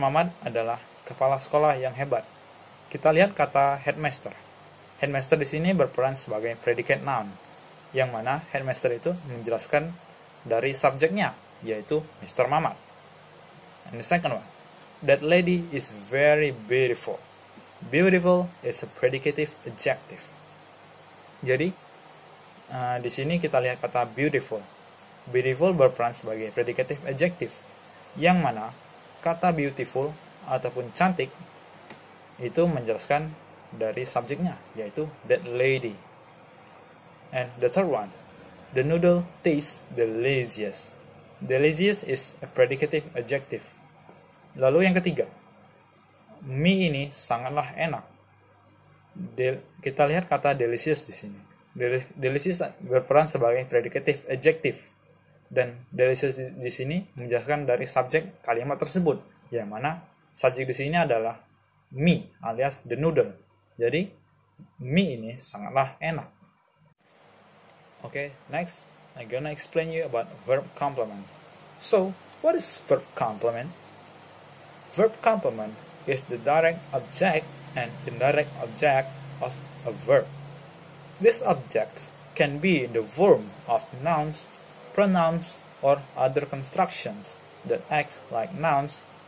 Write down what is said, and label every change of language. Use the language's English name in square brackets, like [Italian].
[Indonesian] Mamat adalah kepala sekolah yang hebat. Kita lihat kata headmaster. Headmaster di sini berperan sebagai predicate noun, yang mana headmaster itu menjelaskan dari subjeknya, yaitu Mr. Mamat. [English] And the second one, that lady is very beautiful. Beautiful is a predicative adjective. [Indonesian] Jadi, di sini kita lihat kata beautiful. Beautiful berperan sebagai predicative adjective, yang mana kata beautiful ataupun cantik itu menjelaskan dari subjeknya, yaitu [English] that lady. And the third one, the noodle tastes delicious. Delicious is a predicative adjective. [Indonesian] Lalu yang ketiga, mie ini sangatlah enak. Kita lihat kata delicious di sini. Delicious berperan sebagai predicative adjective. Dan delicious di sini menjelaskan dari subjek kalimat tersebut, yang mana subjek di sini adalah mie alias [English] the noodle. [Indonesian] Jadi, mie ini sangatlah enak. [English] Okay, next, I'm gonna explain you about verb complement. So, what is verb complement? Verb complement is the direct object and indirect object of a verb. These objects can be in the form of nouns, pronouns, or other constructions that act like nouns.